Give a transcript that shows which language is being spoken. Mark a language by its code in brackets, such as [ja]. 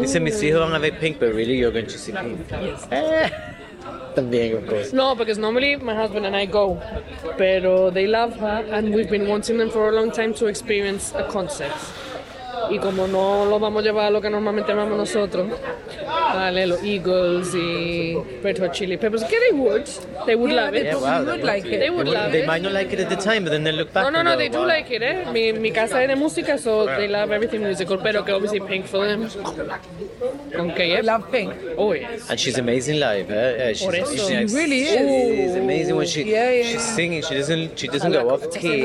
[en] You said, Missy, I'm going to have a pink, but really, you're going to see pink. Yes. Of course. No, because normally my husband and I go. [es] Pero [en] they love her, and we've been wanting them for a long time to experience a concert. [es] Y como no lo vamos a llevar a lo que normalmente vamos nosotros, dale los Eagles y Red Hot Chili Peppers. Que [en] they would. They would love it. Yeah, wow, they would like it. They would love it. They might not like it at the time, but then they look back. No, they do like it, eh? [es] Mi casa es de música, [en] so they love everything musical, [es] pero que [en] obviously Pink for them. [es] Con KF. [en] I love Pink. Oh, yes. And she's amazing live, eh? She really is. She's amazing when she's singing. She doesn't go off key.